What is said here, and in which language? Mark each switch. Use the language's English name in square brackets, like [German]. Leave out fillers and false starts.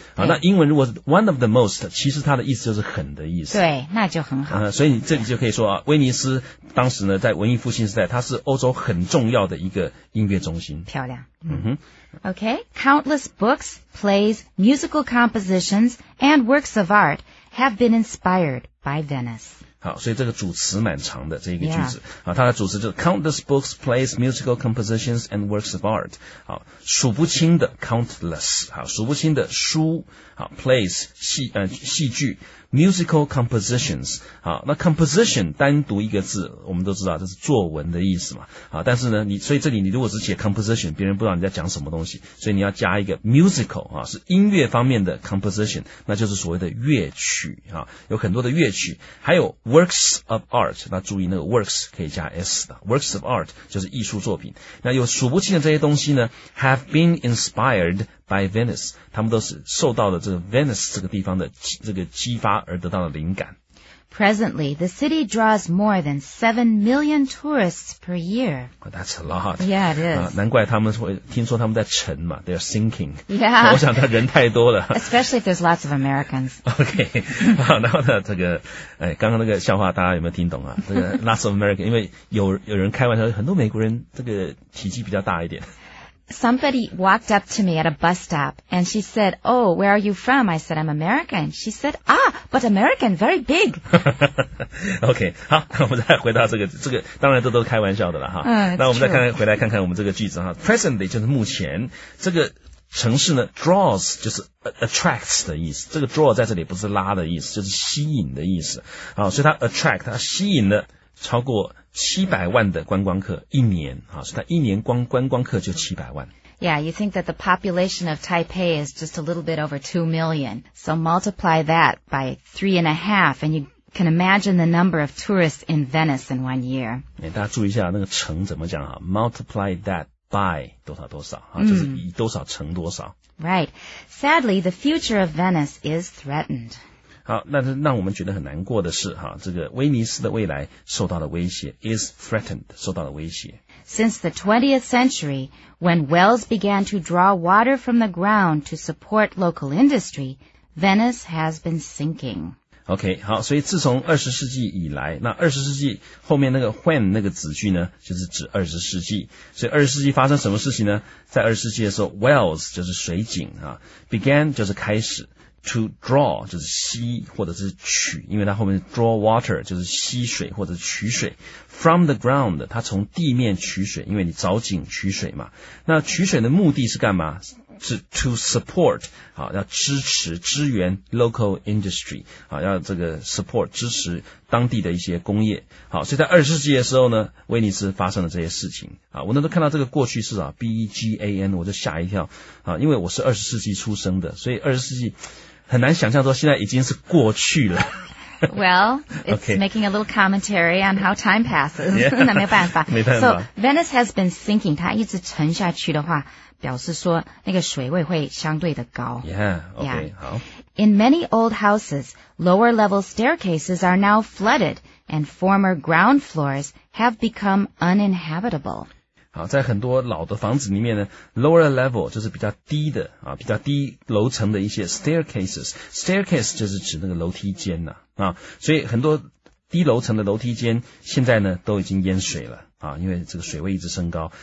[Chinese] 那英文如果是 [English] one of the most, [Chinese] 其实它的意思就是很的意思。对那就很好。所以你这里就可以说威尼斯当时呢在文艺复兴时代它是欧洲很重要的一个音乐中心。漂亮。嗯哼。 [English] Okay, countless books, plays, musical compositions, and works of art have been inspired by Venice. [Chinese] 好所以这个主词蛮长的这一个句子、它的主词就是 [English] countless books, plays, musical compositions, and works of art [Chinese] 好数不清的 countless 好数不清的书好 plays, 戏剧 [English] musical compositions [Chinese] 好那 composition 单独一个字我们都知道这是作文的意思嘛好但是呢所以这里你如果只写 composition 别人不知道你在讲什么东西所以你要加一个 musical 是音乐方面的 composition 那就是所谓的乐曲有很多的乐曲还有 [English] Works of art, [Chinese] 那注意那个 works 可以加 s 的 , [English] works of art [Chinese] 就是艺术作品。那有数不清的这些东西呢 , [English] have been inspired by Venice, [Chinese] 他们都是受到了这个 Venice 这个地方的这个激发而得到的灵感。 [English] Presently, the city draws more than 7 million tourists per year. That's a lot. Yeah, it is. [Chinese] 难怪他们会听说他们在沉嘛 , [English] they're sinking. Yeah. [Chinese] 我想他人太多了。 [English] Especially if there's lots of Americans. Okay. [Chinese] 然后呢这个刚刚那个笑话大家有没有听懂这个 [English] lots of Americans, [Chinese] 因为有人开玩笑很多美国人这个体积比较大一点。 [English] Somebody walked up to me at a bus stop, and she said, Oh, where are you from? I said, I'm American. She said, Ah, but American, very big. [Chinese] okay, 好，我们再回到这个当然都是开玩笑的了。那我们再回来看看我们这个句子。Presently, 就是目前，这个城市呢 draws 就是 attracts 的意思，这个 draw 在这里不是拉的意思，就是吸引的意思啊，所以它 attract 它吸引了超过700万的观光客一年啊，所以它一年光观光客就700万。 [English] Yeah, you think that the population of Taipei is just a little bit over 2 million. So multiply that by 3.5 and you can imagine the number of tourists in Venice in 1 year. [Chinese] 大家注意一下那个乘怎么讲啊 , [English] multiply that by [Chinese] 多少多少、啊 mm. 就是以多少乘多少。 [English] Right. Sadly, the future of Venice is threatened. [Chinese] 好那让我们觉得很难过的是、啊、这个威尼斯的未来受到了威胁 , [English] is threatened, [Chinese] 受到了威胁。 [English] Since the 20th century, when wells began to draw water from the ground to support local industry, Venice has been sinking. [Chinese] OK, 好所以自从20世纪以来那20世纪后面那个 when 那个子句呢就是指20世纪。所以20世纪发生什么事情呢在20世纪的时候 wells 就是水井、啊、began 就是开始 to draw 就是吸或者是取因为它后面 [English] draw water [Chinese] 就是吸水或者取水。 [English] From the ground, [Chinese] 它从地面取水因为你凿井取水嘛。那取水的目的是干嘛是 [English] to support, [Chinese] 啊要支持支援 [English] local industry, [Chinese] 啊要这个 support, 支持当地的一些工业。好所以在20世纪的时候呢威尼斯发生了这些事情。啊我那时候看到这个过去式啊 ,began, 我就吓一跳。啊因为我是20世纪出生的所以20世纪很难想象说现在已经是过去了。 [English] Well, it's、okay. making a little commentary on how time passes. Yeah, [Chinese] 那没有办法。没办法。 [English] So, Venice has been sinking. [Chinese] 它一直沉下去的话表示说那个水位会相对的高。 [English] Yeah, okay, yeah. [Chinese] 好。 [English] In many old houses, lower level staircases are now flooded and former ground floors have become uninhabitable. [Chinese] 好在很多老的房子里面呢 [English] lower level [Chinese] 就是比较低的啊比较低楼层的一些 staircases。 staircase 就是指那个楼梯间啊。啊所以很多低楼层的楼梯间现在呢都已经淹水了啊因为这个水位一直升高。